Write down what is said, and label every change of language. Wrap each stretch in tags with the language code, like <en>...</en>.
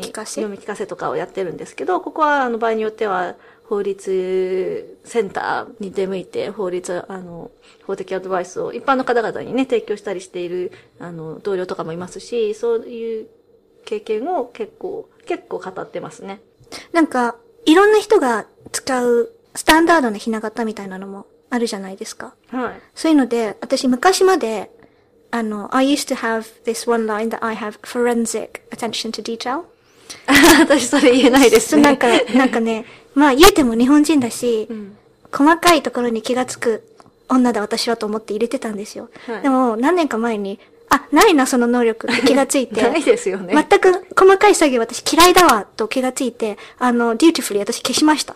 <ja>聞かせとかをやってるんですけど、ここは、場合によっては、法律センターに出向いて、法的アドバイスを一般の方々にね、提供したりしている、同僚とかもいますし、そういう経験を結構語ってますね。なんか、いろんな人が使う、スタンダードなひな形みたいなのも、あるじゃないですか。はい。そういうので、私昔まで、</ja> <en>I used to have this one line that I have forensic attention to detail.</en> <ja>私それ言えないですね。なんかね、まあ言えても日本人だし、うん、細かいところに気がつく女だ私はと思って入れてたんですよ。はい。でも、何年か前に、あ、ないな、その能力って気がついて。ないですよね。全く細かい作業私嫌いだわと気がついて、dutifully 私消しました。</ja>